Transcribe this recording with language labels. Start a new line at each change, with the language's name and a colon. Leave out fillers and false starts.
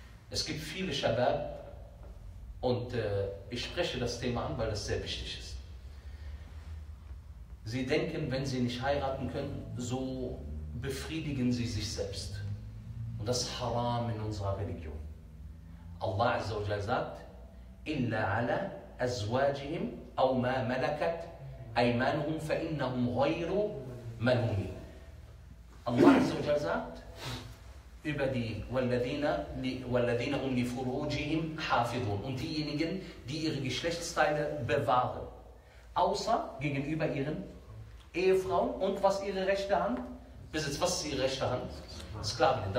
German: Es gibt viele Shabab, und ich spreche das Thema an, weil das sehr wichtig ist. Sie denken, wenn sie nicht heiraten können, so befriedigen sie sich selbst. Und das ist Haram in unserer Religion. Allah Azza wa Jalla sagt,
Arabic: إِلَّا عَلَى أَزْوَاجِهِمْ أَوْ مَا مَلَكَتْ أَيْمَانُهُمْ فَإِنَّهُمْ غَيْرُ مَلُومِينَ.
German: Allah Azza wa Jalla sagt, über die
Arabic: وَالَّذِينَ هُمْ لِفُرُوجِهِمْ حَافِظُونَ,
German: und diejenigen, die ihre Geschlechtsteile bewahren, außer gegenüber ihren Ehefrauen und was ihre rechte Hand besitzt. Was ist ihre rechte Hand? Sklavin.